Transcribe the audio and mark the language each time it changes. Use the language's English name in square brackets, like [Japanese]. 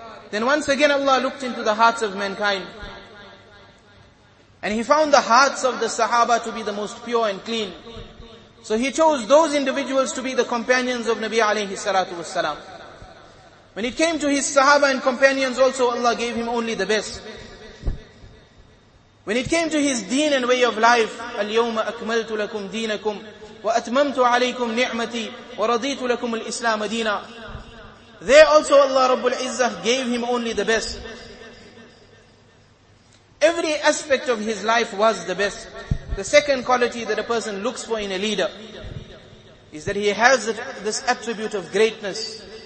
[English] Then once again Allah looked into the hearts of mankind. And he found the hearts of the sahaba to be the most pure and clean. So he chose those individuals to be the companions of Nabi alayhi salatu wasalam. When it came to his sahaba and companions also, Allah gave him only the best. When it came to his deen and way of life, [Arabic] الْيَوْمَ أَكْمَلْتُ لَكُمْ دِينَكُمْ وَأَتْمَمْتُ عَلَيْكُمْ نِعْمَتِي وَرَضِيتُ لَكُمْ الْإِسْلَامَ دِينَ. [English] There also Allah Rabbul Izzah gave him only the best. Every aspect of his life was the best. The second quality that a person looks for in a leader is that he has this attribute of greatness.